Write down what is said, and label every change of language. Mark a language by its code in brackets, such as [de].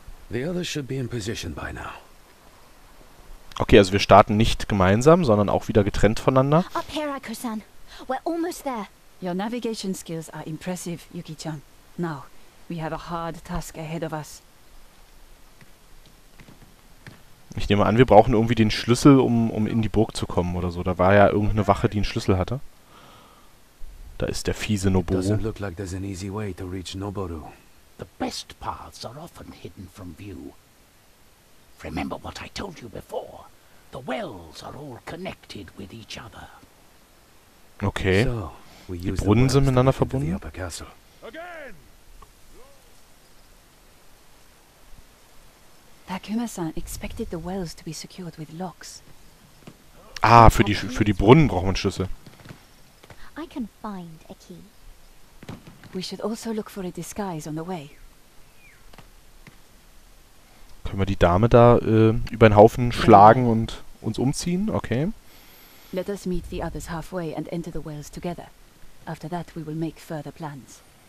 [en] The others should be in position by now. [de] Okay, also wir starten nicht gemeinsam, sondern auch wieder getrennt voneinander. [en] Up here, Akusan. We're almost there. Your navigation skills are impressive, Yuki-chan. Now, we have a hard task ahead of us. [de] Ich nehme an, wir brauchen irgendwie den Schlüssel, um in die Burg zu kommen oder so. Da war ja irgendeine Wache, die einen Schlüssel hatte. Da ist der fiese Noboru. [en] Doesn't look like there's an easy way to reach Noboru. The best paths are often hidden from view. Remember what I told you before. The wells are all connected with each other. Okay. So, we use [de] die Brunnen sind miteinander verbunden. [en] Again. Takuma-san expected the wells to be secured with locks. [de] Ah, für die Brunnen braucht man Schlüssel. [en] I can find a key. We should also look for a disguise on the way. [de] Können wir die Dame da über den Haufen schlagen und uns umziehen? Okay. [en] Let us meet the others halfway and enter the wells together. After that we will make further plans.